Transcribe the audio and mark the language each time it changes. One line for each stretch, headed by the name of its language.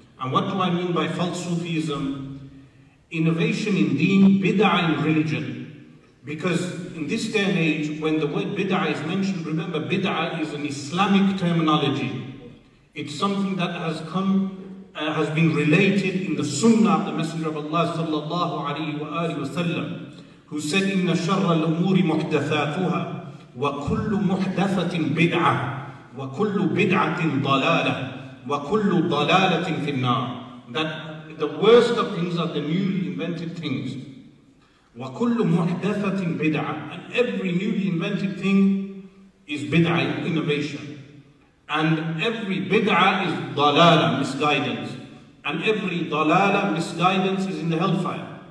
English: And what do I mean by false Sufism? Innovation in deen, bid'ah in religion. Because in this day and age, when the word bid'ah is mentioned, remember, bid'ah is an Islamic terminology. It's something that has come, has been related in the sunnah of the Messenger of Allah sallallahu alayhi wa sallam, who said,
Arabic: إِنَّ شَرَّ الْأُمُورِ مُحْدَثَاتُهَا وَكُلُّ مُحْدَثَةٍ بِدْعَةٍ وَكُلُّ بِدْعَةٍ ضَلَالَةٍ وَكُلُّ ضَلَالَةٍ فِي النَّارِ.
English: That the worst of things are the newly invented things.
Arabic: وَكُلُّ مُحْدَثَةٍ بِدْعَةٍ.
English: And every newly invented thing is bid'ah, innovation. And every bid'ah is dalala, misguidance. And every dalala, misguidance is in the hellfire.